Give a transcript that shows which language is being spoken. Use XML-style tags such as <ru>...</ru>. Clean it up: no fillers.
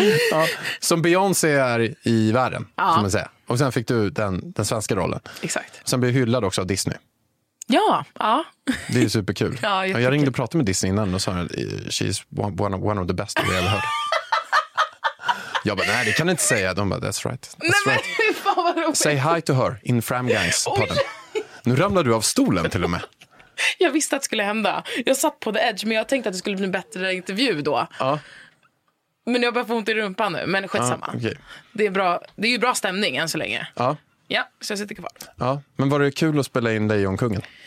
<sv>Ja, som Beyoncé är i världen, ja. Som man säger. Och sen fick du den svenska rollen. Exakt. Sen blev hyllad också av Disney. Ja, ja. Det är superkul. Ja, jag ringde och pratade med Disney innan och sa att</sv> <en>she's one of the best we ever heard.</en> <sv>Jag bara, nej, det kan du inte säga. De bara,</sv> <en>that's right. Say hi to her in Framgangs podden.</en> <sv>Nu ramlade du av stolen till och med. Jag visste att det skulle hända. Jag satt på the edge, men jag tänkte att det skulle bli en bättre intervju då. Ja. Men jag börjar få ont i rumpan nu, men skitsamma. Ja, okay. Det är ju bra stämning än så länge. Ja. Ja, så jag sitter kvar. Ja, men var det kul att spela in Lejonkungen?</sv>